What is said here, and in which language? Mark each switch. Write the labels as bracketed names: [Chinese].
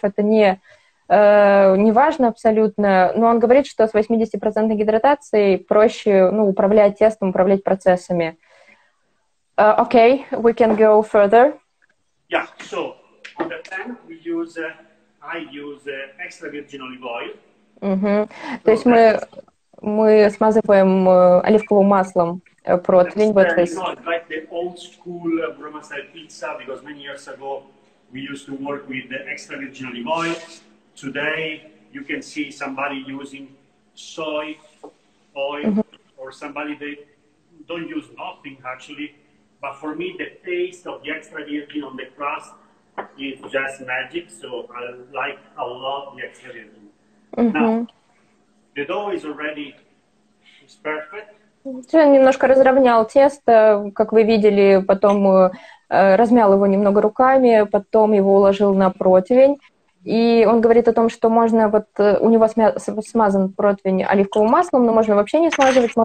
[Russian] Это не важно абсолютно, но он говорит, что с 80% гидратацией проще управлять тестом, управлять процессами. [English] Okay, we can go further. Yeah, so on the pan, I use extra virgin olive oil. Mm-hmm. [Russian] So мы смазываем оливковым маслом противень. [English] Вот it's like the old school Roma style pizza, because many years ago we used to work with the extra virgin olive oil. Today you can see somebody using soy oil, mm-hmm. or somebody they don't use nothing actually. But for me, the taste of the extra virgin on the crust is just magic. So I like a lot the extra virgin. Mm-hmm. Now, the dough is already perfect. [Russian] Я немножко разровнял тесто, как вы видели, потом размял его немного руками, потом его уложил на противень, И он говорит о том, что можно вот у него смазан противень оливковым маслом, но можно вообще не смазывать.